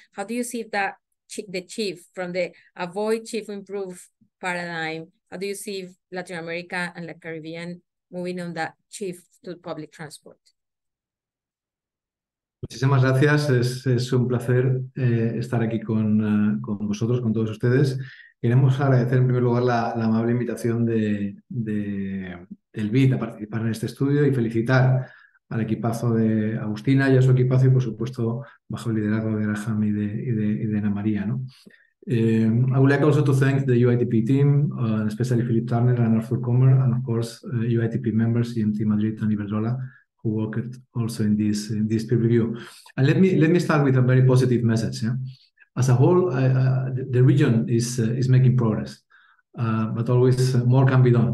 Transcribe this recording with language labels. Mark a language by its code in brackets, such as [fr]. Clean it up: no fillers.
[en] How do you see that from the avoid, chief, improve paradigm? How do you see Latin America and the Caribbean moving on that chief to public transport? [es] Muchísimas gracias. Es un placer estar aquí con vosotros, con todos ustedes. Queremos agradecer en primer lugar la amable invitación del BID a participar en este estudio y felicitar al equipazo de Agustina y a su equipazo, y por supuesto bajo el liderazgo de Graham y de Ana María, ¿no? [en] I would like also to thank the UITP team, especially Philip Turner and Arthur Comer, and of course UITP members, EMT Madrid and Iberdrola, who worked also in this peer review. And let me start with a very positive message, yeah? As a whole, the region is making progress, but always more can be done.